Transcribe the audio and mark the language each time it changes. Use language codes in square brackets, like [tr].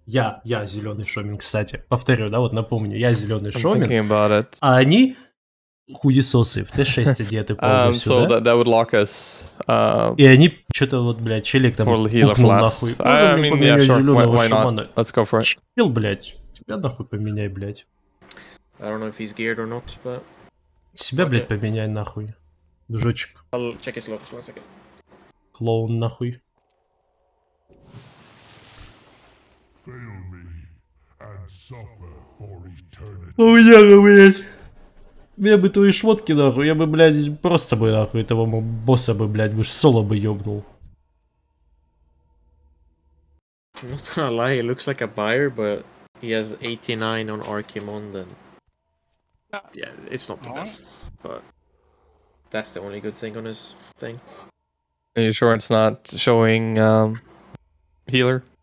[ru] Я зеленый шомин, кстати. Повторю, да, вот напомню. Я зеленый шомин. А они хуесосы. В Т6 одеты полностью, да? [en] That would lock us. [ru] И они что-то вот, блядь, челик там пукнул нахуй. [en] Let's go for it. [ru] Чел, блядь. Тебя нахуй поменяй, блядь. [en] I don't know if he's geared or not, but... [ru] Себя, okay. Блядь, поменяй нахуй. Дружочек. [en] I'll check his looks, one second. [ru] Клоун нахуй. [en] Fail me and suffer for eternity. [ru] Ну я бы, блядь. Я бы твои шмотки нахуй. Я бы, блядь, просто бы нахуй этого босса бы, блядь, бы соло бы ёбнул. [en] I'm not gonna lie, he looks like a buyer, but he has 89 on Archimonden. Yeah, it's not the best, but that's the only good thing on his thing. Are you sure it's not showing healer?